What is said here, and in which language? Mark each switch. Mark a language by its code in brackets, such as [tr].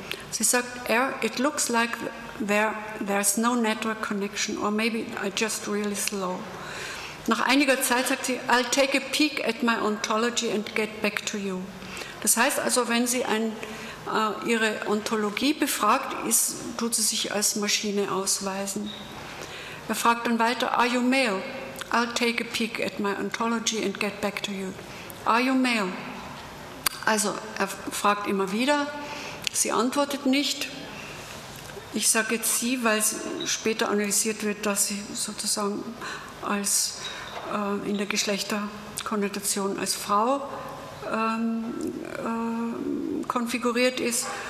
[de] Sie sagt, [en] it looks like there's no network connection or maybe I just really slow. [de] Nach einiger Zeit sagt sie, [en] I'll take a peek at my ontology and get back to you. [de] Das heißt also, wenn sie ihre Ontologie befragt, tut sie sich als Maschine ausweisen. Er fragt dann weiter, [en] are you male? I'll take a peek at my ontology and get back to you. Are you male? [de] Also er fragt immer wieder, sie antwortet nicht. Ich sage jetzt sie, weil später analysiert wird, dass sie sozusagen als in der Geschlechterkonnotation als Frau konfiguriert ist.